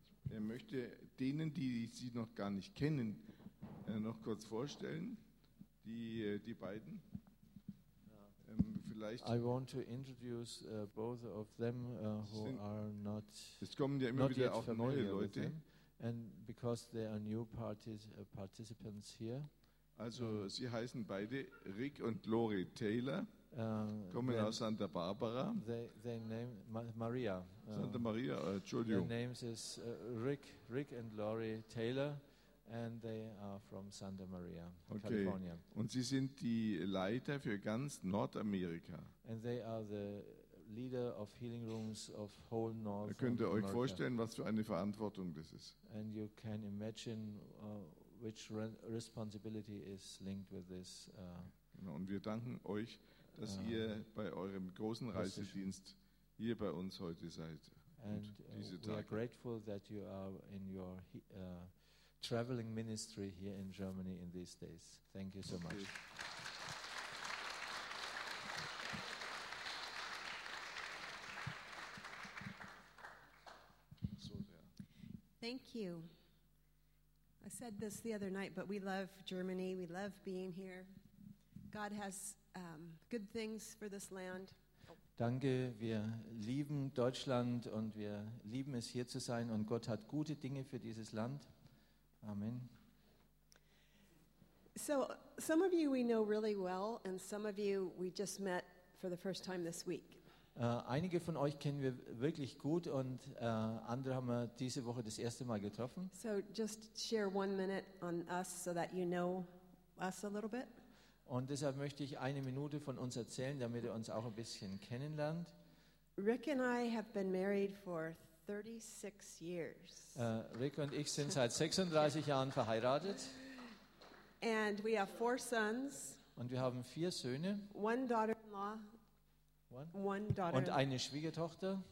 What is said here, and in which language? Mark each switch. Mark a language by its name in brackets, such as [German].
[German] Er möchte denen, die Sie noch gar nicht kennen, noch kurz vorstellen, die beiden. Vielleicht. [English] I want to introduce both of them who are not. [German] Es kommen ja immer wieder auch neue Leute. [English] And because there are new participants here. [German] Also sie heißen beide Rick und Lori Taylor. Kommen aus Santa Barbara. [English] Their name Maria. [German] Santa Maria, Entschuldigung. [English] Their names is Rick and Lori Taylor, and they are from Santa Maria, okay. California. [German] Und sie sind die Leiter für ganz Nordamerika. [English] And they are the leader of healing rooms of whole North America. [German] Da könnt ihr euch vorstellen, was für eine Verantwortung das ist. [English] And you can imagine which responsibility is linked with this. [German] Und wir danken euch, dass ihr bei eurem großen Reisedienst hier bei uns heute seid. [English] And [German] diese Tage. [English] We are grateful that you are in your traveling ministry here in Germany in these days. Thank you so much. Thank you. I said this the other night, but we love Germany. We love being here. God has good things for this land. [German] Danke, wir lieben Deutschland und wir lieben es hier zu sein und Gott hat gute Dinge für dieses Land. Amen. [English] So, some of you we know really well and some of you we just met for the first time this week. [German] Einige von euch kennen wir wirklich gut und andere haben wir diese Woche das erste Mal getroffen. [English] So just share 1 minute on us so that you know us a little bit. [German] Und deshalb möchte ich 1 Minute von uns erzählen, damit ihr uns auch ein bisschen kennenlernt. [English] Rick and I have been married for 36 years. [German] Rick und ich sind seit 36 Jahren verheiratet. [English] And we have 4 sons. [German] Und wir haben 4 Söhne. [English] One daughter-in-law. One daughter. [German] Und eine Schwiegertochter.